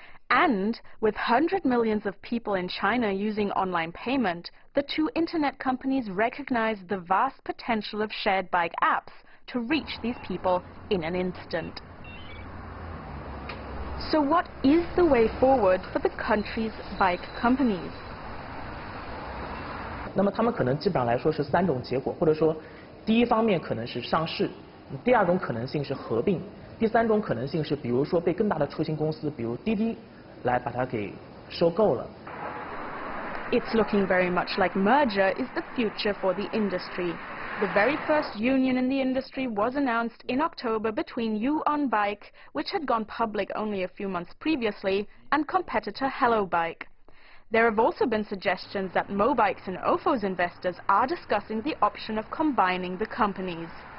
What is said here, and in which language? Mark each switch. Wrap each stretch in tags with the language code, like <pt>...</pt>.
<en>And with hundreds of millions of people in China using online payment, the two internet companies recognize the vast potential of shared bike apps to reach these people in an instant. So what is the way forward for the country's bike companies?</en> <zh>那么他们可能基本上来说是三种结果，或者说第一方面可能是上市，第二种可能性是合并，第三种可能性是比如说被更大的出行公司，比如滴滴，来把它给收购了。</zh> <en>It's looking very much like merger is the future for the industry. The very first union in the industry was announced in October between UOnBike, which had gone public only a few months previously, and competitor HelloBike. There have also been suggestions that Mobike's and Ofo's investors are discussing the option of combining the companies.</en>